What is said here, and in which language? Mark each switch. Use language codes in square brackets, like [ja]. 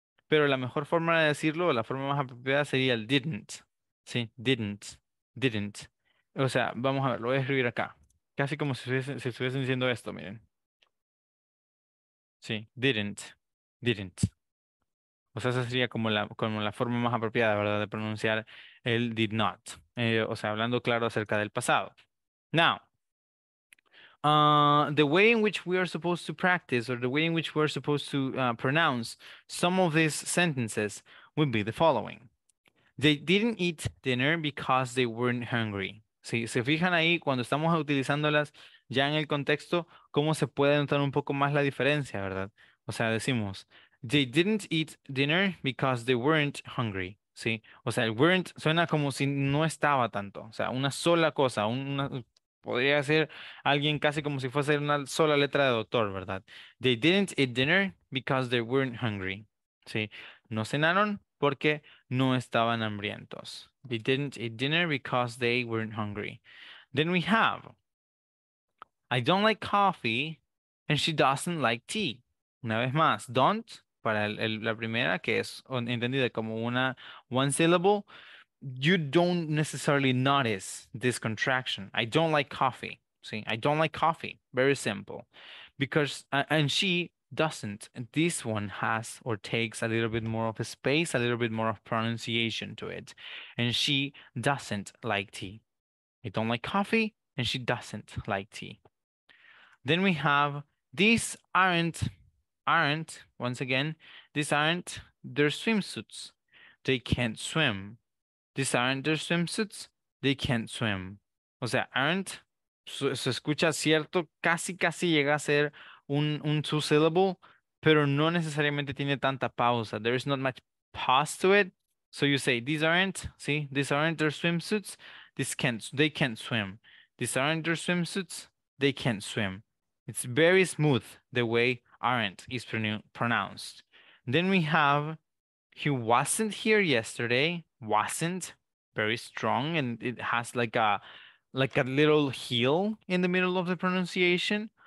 [es] Pero la mejor forma de decirlo, la forma más apropiada sería el didn't. Sí, didn't. O sea, vamos a ver, lo voy a escribir acá. Casi como si estuviesen diciendo esto, miren. Sí, didn't. O sea, esa sería como la forma más apropiada, ¿verdad? De pronunciar el did not. O sea, hablando claro acerca del pasado. [en] Now, the way in which we are supposed to practice or the way in which we are supposed to pronounce some of these sentences would be the following. They didn't eat dinner because they weren't hungry. [es] Si se fijan ahí, cuando estamos utilizándolas ya en el contexto, cómo se puede notar un poco más la diferencia, ¿verdad? O sea, decimos, [en] they didn't eat dinner because they weren't hungry. [es] Sí, o sea, el weren't suena como si no estaba tanto. O sea, una sola cosa, podría ser alguien casi como si fuese una sola letra de doctor, ¿verdad? [en] They didn't eat dinner because they weren't hungry. [es] Sí, no cenaron porque no estaban hambrientos. [en] They didn't eat dinner because they weren't hungry. Then we have, I don't like coffee and she doesn't like tea. [es] Una vez más, don't, para la primera, que es entendida como una one syllable, [en] you don't necessarily notice this contraction. I don't like coffee. See, I don't like coffee. Very simple. Because, and she doesn't. This one has or takes a little bit more of a space, a little bit more of pronunciation to it. And she doesn't like tea. I don't like coffee and she doesn't like tea. Then we have, these aren't, once again, these aren't their swimsuits. They can't swim. These aren't their swimsuits. They can't swim. [es] O sea, aren't, se escucha cierto, casi llega a ser un two syllable, pero no necesariamente tiene tanta pausa. [en] There is not much pause to it. So you say, these aren't, see, these aren't their swimsuits. They can't swim. These aren't their swimsuits. They can't swim. It's very smooth the way aren't is pronounced. Then we have, He wasn't here yesterday. Wasn't very strong, and it has like a little heel in the middle of the pronunciation.